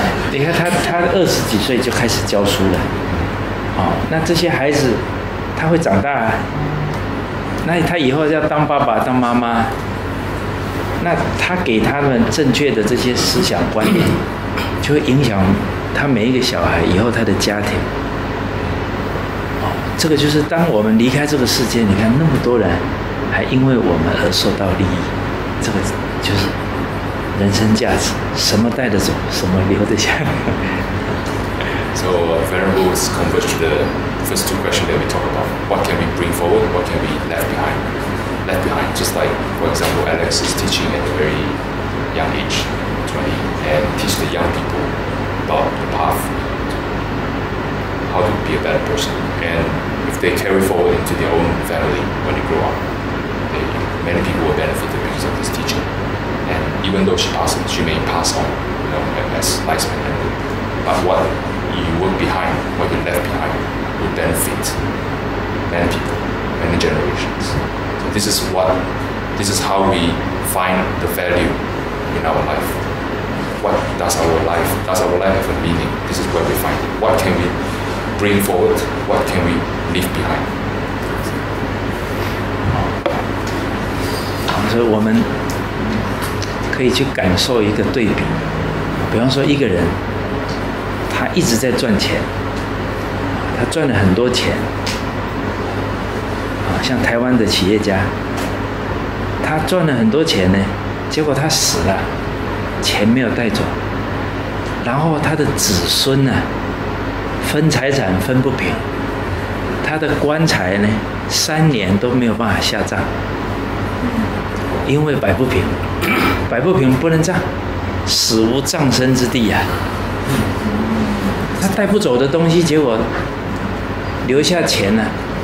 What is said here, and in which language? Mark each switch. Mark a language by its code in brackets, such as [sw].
[zh] 你看他二十几岁就开始教书了，哦，那这些孩子他会长大，啊，那他以后要当爸爸当妈妈，那他给他们正确的这些思想观念，就会影响他每一个小孩以后他的家庭。哦，这个就是当我们离开这个世界，你看那么多人还因为我们而受到利益，这个就是人生价值，什么带得走，什么留得下。 [en] So Venerable is converged to the first two questions that we talk about. What can we bring forward? What can we left behind? Left behind, just like, for example, Alex is teaching at a very young age, 20, and teach the young people about the path, how to be a better person. And if they carry forward into their own family when they grow up, many people will benefit because of this teacher. And even though she passed, she may pass on, you know, as lifespan ended. But what you work behind, what you left behind, will benefit many people, many generations. So this is how we find the value in our life. What does our life have a meaning? This is where we find it. What can we bring forward? What can we leave behind? [zh] 所以我们可以去感受一个对比，比方说一个人他一直在赚钱，他赚了很多钱，像台湾的企业家，他赚了很多钱呢，结果他死了，钱没有带走，然后他的子孙呢，分财产分不平，他的棺材呢，三年都没有办法下葬，因为摆不平，摆不平不能葬，死无葬身之地啊，他带不走的东西，结果留下钱呢，啊？